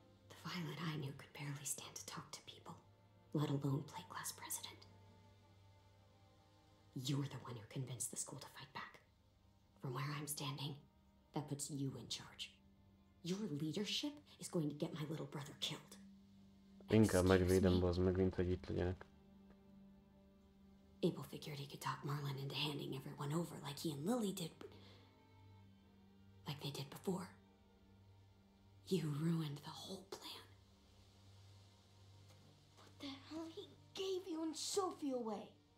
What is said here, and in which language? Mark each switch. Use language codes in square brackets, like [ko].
[en] The Violet I knew could barely stand to talk to people, let alone play class president. You're the one who convinced the school to fight back. From where I'm standing, that puts you in charge. Your leadership is going to get my little brother killed. [hu] Inkább megvédem bazd meg, mint hogy itt legyenek. [en] Abel figured he could talk Marlin into handing everyone over like he and Lily did. Like they did before. You ruined the whole plan. What the hell? He gave you and Sophie away.